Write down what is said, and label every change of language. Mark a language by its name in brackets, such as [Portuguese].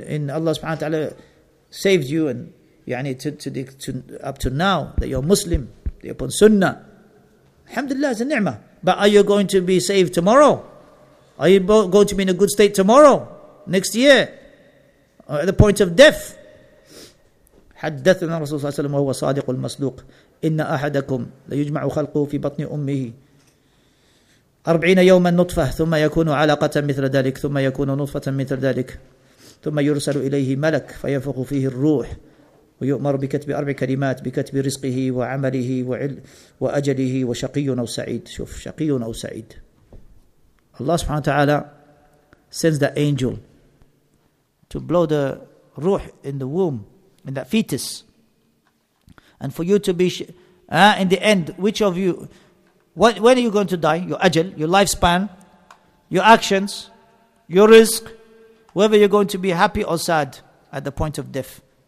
[English] In Allah subhanahu wa ta'ala saved you and yani to up to now that you're Muslim, that you're upon Sunnah. Alhamdulillah, it's a ni'mah. But are you going to be saved tomorrow? Are you going to be in a good state tomorrow? Next year? Or at the point of death? [Arabic] حدثنا الرسول صلى الله عليه وسلم وهو صادق المصدوق، إن أحدكم ليجمع خلقه في بطن أمه 40 يوما نطفة، ثم يكون علقة مثل ذلك، ثم يكون نطفة مثل ذلك، ثم يرسل إليه ملك فينفخ فيه الروح ويؤمر بكتب 4 كلمات، بكتب رزقه وعمله وأجله وشقي أو سعيد. شوف، شقي أو سعيد. الله سبحانه وتعالى [English] sends the angel to blow the ruh in the womb, in that fetus, and for you to be in the end, which of you, when are you going to die? Your ajal, your lifespan, your actions, your risk, whether you're going to be happy or sad at the point of death.